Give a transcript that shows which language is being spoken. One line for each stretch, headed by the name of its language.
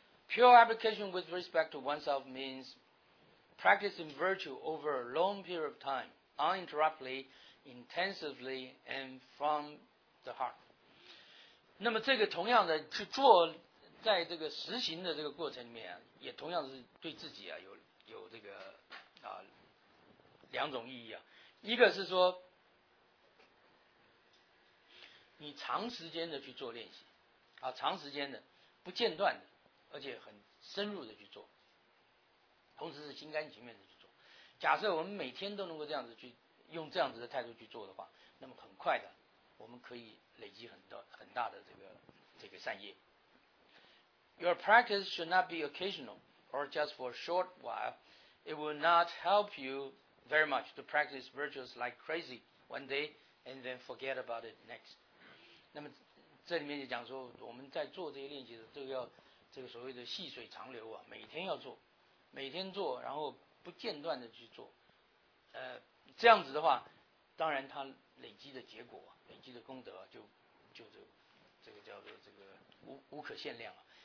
English: Pure application with respect to oneself means practicing virtue over a long period of time uninterruptedly, intensively and from the heart。
Chinese: 那么这个同样的去做，在这个实行的这个过程里面、啊、也同样是对自己啊有这个啊两种意义啊。一个是说你长时间的去做练习啊，长时间的不间断的，而且很深入的去做，同时是心甘情愿的去做。假设我们每天都能够这样子去用这样子的态度去做的话，那么很快的我们可以累积很大的这个善业。
English: Your practice should not be occasional or just for a short while. It will not help you very much to practice virtues like crazy one day and then forget about it next.
Chinese: 那么这里面就讲说，我们在做这些练习的都要这个所谓的细水长流啊，每天要做，每天做，然后不间断的去做，这样子的话，当然它累积的结果，累积的功德就这个叫做这个无可限量啊。